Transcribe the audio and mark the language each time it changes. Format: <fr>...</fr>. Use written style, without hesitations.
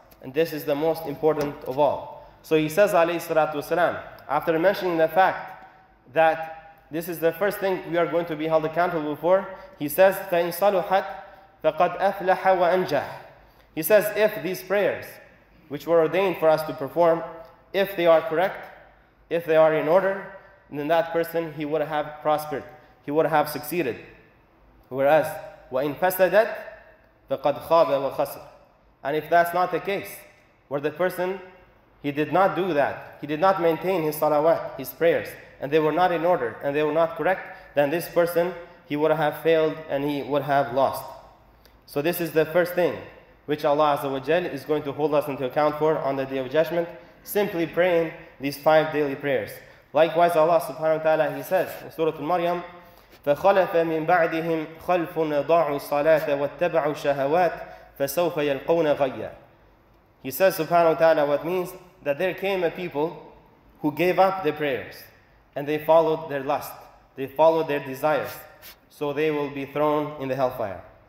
<en>And this is the most important of all. So he says, alayhi salatu wasalam, after mentioning the fact that this is the first thing we are going to be held accountable for, he says,</en> <ar>فَإِن صَلُحَتْ فَقَدْ أَفْلَحَ وَأَنْجَحَ.</ar> <en>He says, if these prayers, which were ordained for us to perform, if they are correct, if they are in order, then that person, he would have prospered. He would have succeeded.</en> <ar>Whereas, وَإِن فَسَدَتْ فَقَدْ خَابَ وَخَسَرَ.</ar> <en>And if that's not the case, where the person, he did not do that, he did not maintain his salawat, his prayers, and they were not in order, and they were not correct, then this person, he would have failed, and he would have lost. So this is the first thing which Allah Azza wa Jal is going to hold us into account for on the Day of Judgment, simply praying these five daily prayers. Likewise, Allah subhanahu wa ta'ala, he says in Surah Al-Maryam,</en> <ar>فَخَلَفَ مِنْ بَعْدِهِمْ خَلْفٌ ضَاعُوا الصَّلَاةَ وَاتَّبَعُوا الشَّهَوَاتِ فَسَوْفَ يَلْقَوْنَ غَيَّا.</ar> <en>He says subhanahu wa ta'ala what means that there came a people who gave up their prayers and they followed their lust, they followed their desires, so they will be thrown in the hellfire.</en>